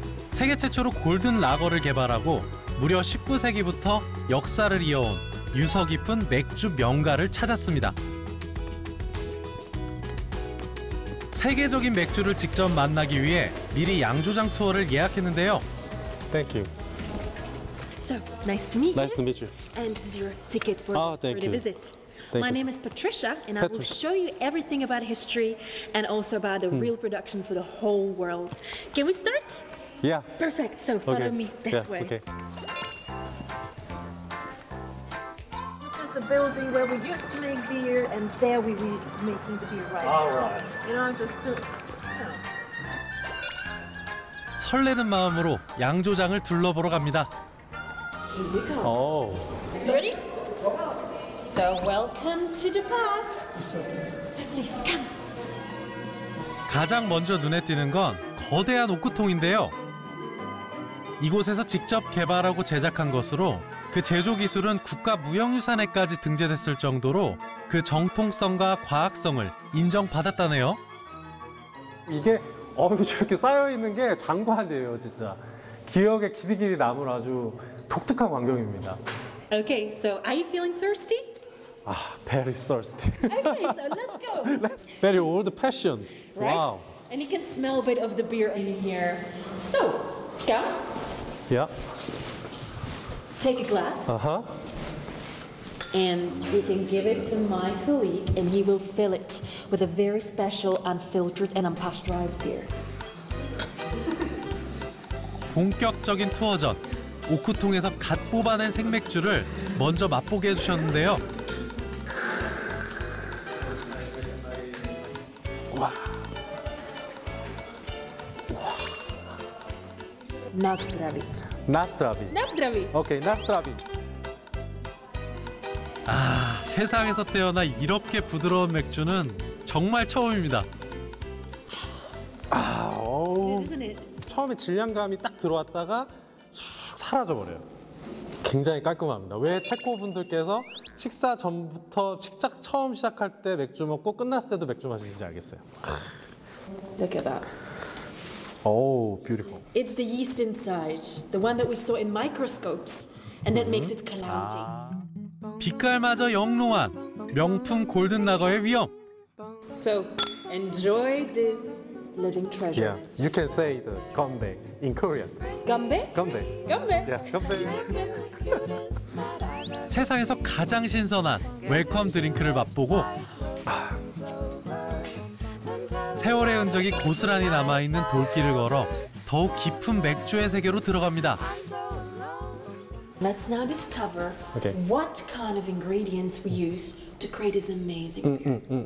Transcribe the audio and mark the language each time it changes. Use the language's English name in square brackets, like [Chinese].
[Korean] 세계 최초로 골든 라거를 개발하고 무려 19세기부터 역사를 이어온 유서 깊은 맥주 명가를 찾았습니다. 세계적인 맥주를 직접 만나기 위해 미리 양조장 투어를 예약했는데요. [English] Thank you. So, nice to meet you. Nice to meet you. And this is your ticket for the visit. Thank My you. name is Patricia, and Patrick. I will show you everything about history and also about the real production for the whole world. Can we start? Yeah. Perfect. So, follow me this way. Okay. The building where we used to make beer, and there we were making the beer right All now. Right. You know, just to. You know. [Korean] 설레는 마음으로 양조장을 둘러보러 갑니다. [English] Here we go. Oh. Ready? So welcome to the past. So please come. [Korean] 가장 먼저 눈에 띄는 건 거대한 옥구통인데요. 이곳에서 직접 개발하고 제작한 것으로. 그 제조 기술은 국가 무형유산에까지 등재됐을 정도로 그 정통성과 과학성을 인정받았다네요. 이게 저렇게 쌓여 있는 게 장관이에요, 진짜. 기억에 길이길이 남을 아주 독특한 광경입니다. [English] Okay, so are you feeling thirsty? Very thirsty. Okay, so let's go. Very old fashioned. Right? Wow. And you can smell a bit of the beer in here. So, go. Yeah. Take a glass. And we can give it to my colleague, and he will fill it with a very special unfiltered and unpasteurized beer. [Korean] 본격적인 투어 전 오크통에서 갓 뽑아낸 생맥주를 먼저 맛보게 해주셨는데요. 와. [Czech] Nastravi. Nastravi. Nastravi. Okay, Nastravi. [Korean] 아, 세상에서 태어나 이렇게 부드러운 맥주는 정말 처음입니다. 아, 오, [English] Isn't it? [Korean] 처음에 질량감이 딱 들어왔다가 쑥 사라져버려요. 굉장히 깔끔합니다. 왜 체코 분들께서 식사 전부터 식작 처음 시작할 때 맥주 먹고 끝났을 때도 맥주 마시는지 알겠어요. [English] Look at that. Oh, beautiful. It's the yeast inside, the one that we saw in microscopes, and that makes it cloudy. [Korean] 빛깔마저 영롱한 명품 골든 라거의 위엄. [English] So, enjoy this living treasure. Yeah, you can say the gambae in Korean. [Korean] Gambae? Gambae. Gambae. [English] Yeah, gambae. [Korean] 세상에서 가장 신선한 웰컴 드링크를 맛보고 세월의 흔적이 고스란히 남아있는 돌길을 걸어 더욱 깊은 맥주의 세계로 들어갑니다. [English] Let's now discover what kind of ingredients we use to create this amazing beer.